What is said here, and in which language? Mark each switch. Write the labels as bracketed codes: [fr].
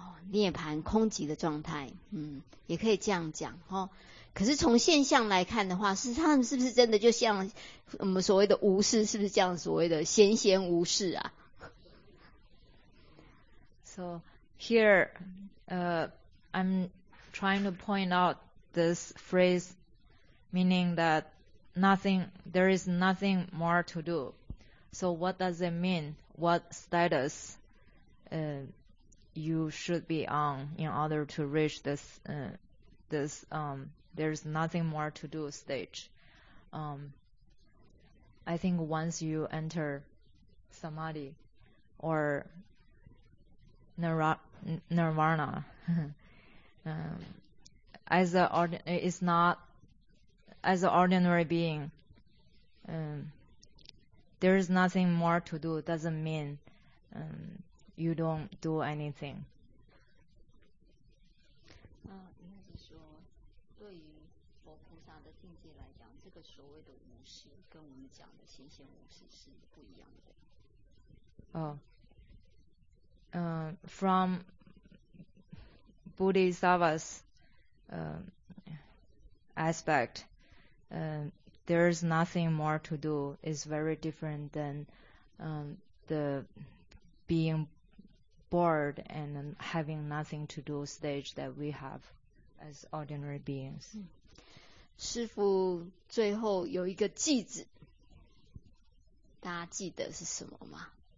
[zh] 涅槃空寂的状态，也可以这样讲哈。可是从现象来看的话，是他们是不是真的就像我们所谓的无视，是不是这样所谓的闲闲无视啊 [en] ？So here, I'm trying to point out this phrase, meaning that nothing, there is nothing more to do. So what does it mean? What status? You should be on in order to reach this, there's nothing more to do stage. I think once you enter samadhi or nirvana, as an ordinary being, there is nothing more to do doesn't mean, you don't do anything. [zh] 应该是说，对于佛菩萨的境界来讲，这个所谓的无视，跟我们讲的闲闲无事是不一样的。 [en] From Bodhisattva's aspect, there is nothing more to do. It's very different than the being bored and having nothing to do stage that we have as ordinary beings. [zh] 师父最后有一个句子，大家记得是什么吗？